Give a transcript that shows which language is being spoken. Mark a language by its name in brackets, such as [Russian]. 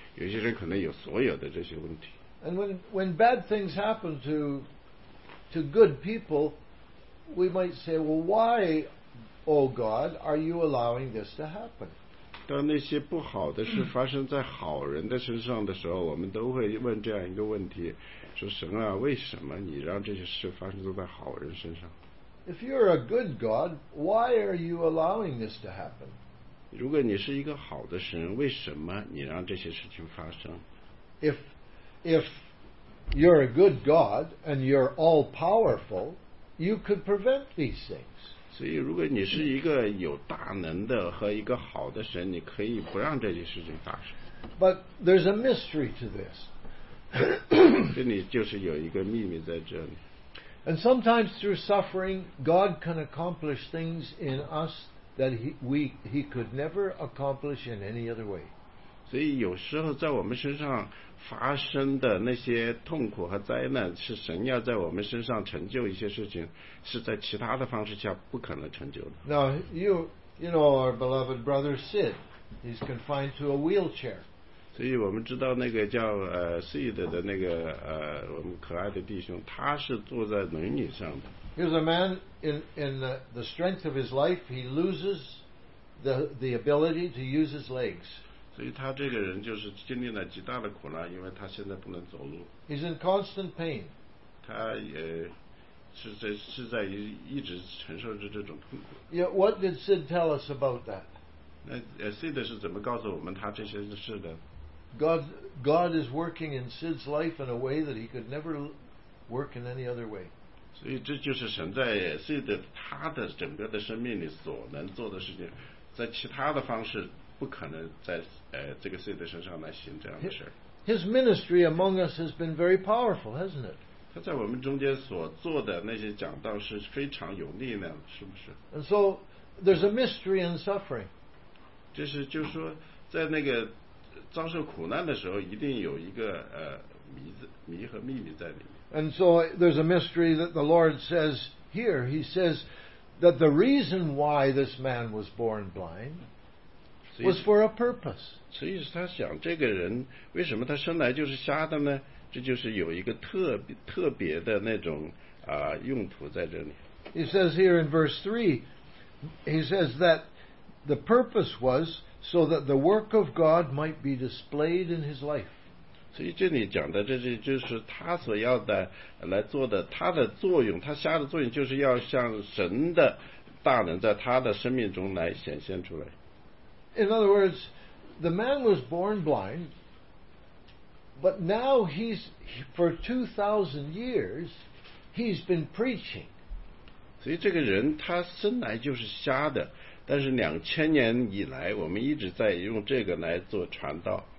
[Chinese] 他们有些人可能有那些健康上的问题，有些人有家庭的问题，有些人有财政上的问题，有些人可能有所有的这些问题。 [English] And when bad things happen to good people, we might say, well, why, oh God, are you allowing this to happen? [Chinese] 当那些不好的事发生在好人的身上的时候，我们都会问这样一个问题：说神啊，为什么你让这些事发生在好人身上？ [English] If you're a good God, why are you allowing this to happen? [Chinese] 如果你是一个好的神，为什么你让这些事情发生？ [English] If you're a good God and you're all powerful, you could prevent these things. [Chinese] 所以如果你是一个有大能的和一个好的神，你可以不让这些事情发生。 [English] But there's a mystery to this. [Chinese] 这里就是有一个秘密在这里。 [English] And sometimes through suffering, God can accomplish things in us that he could never accomplish in any other way. [Chinese] 所以有时候在我们身上发生的那些痛苦和灾难，是神要在我们身上成就一些事情，是在其他的方式下不可能成就的。 [English] Now you know our beloved brother Sid, he's confined to a wheelchair. [Chinese] 所以我们知道那个叫Sid 的那个我们可爱的弟兄，他是坐在轮椅上的。 [English] He was a man in the strength of his life, he loses the ability to use his legs. [Chinese] 所以他这个人就是经历了极大的苦难，因为他现在不能走路。 [English] He's in constant pain. [Chinese] 他也是在一直承受着这种痛苦。 [English] Yeah, what did Sid tell us about that? [Chinese] 那Sid是怎么告诉我们他这些事的？ [English] God is working in Sid's life in a way that he could never work in any other way. [Chinese] 所以这就是神在Sid他的整个的生命里所能做的事情，在其他的方式。不可能在这个Sid身上来行这样的事。 [English] His ministry among us has been very powerful, hasn't it? [Chinese] 他在我们中间所做的那些讲道是非常有力量的，是不是？ [English] And so there's a mystery in suffering. [Chinese] 就是说，在那个遭受苦难的时候，一定有一个谜和秘密在里面。 [English] And so there's a mystery that the Lord says here. He says that the reason why this man was born blind. Was for a purpose. [Chinese] 所以他想，这个人为什么他生来就是瞎的呢？这就是有一个特别的那种用途在这里。 [English] He says here in verse 3, he says that the purpose was so that the work of God might be displayed in his life. [Chinese] 所以这里讲的这就是他所要的来做的，他的作用，他瞎的作用就是要向神的大能在他的生命中来显现出来。 [English] In other words, the man was born blind, but now he's, for 2,000 years, he's been preaching. [Chinese] 所以这个人他生来就是瞎的，但是2000年以来我们一直在用这个来做传道。